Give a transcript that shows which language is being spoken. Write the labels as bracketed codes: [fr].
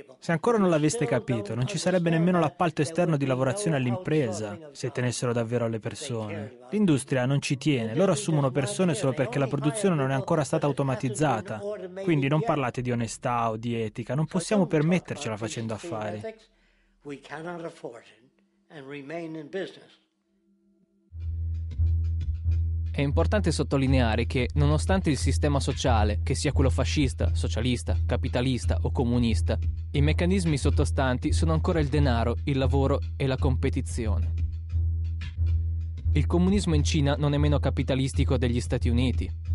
[it] Se ancora non l'aveste capito, non ci sarebbe nemmeno l'appalto esterno di lavorazione all'impresa, se tenessero davvero alle persone. L'industria non ci tiene, loro assumono persone solo perché la produzione non è ancora stata automatizzata. Quindi non parlate di onestà o di etica, non possiamo permettercela facendo affari. [en] We cannot afford it and remain in business. [it] È importante sottolineare che, nonostante il sistema sociale, che sia quello fascista, socialista, capitalista o comunista, i meccanismi sottostanti sono ancora il denaro, il lavoro e la competizione. Il comunismo in Cina non è meno capitalistico degli Stati Uniti.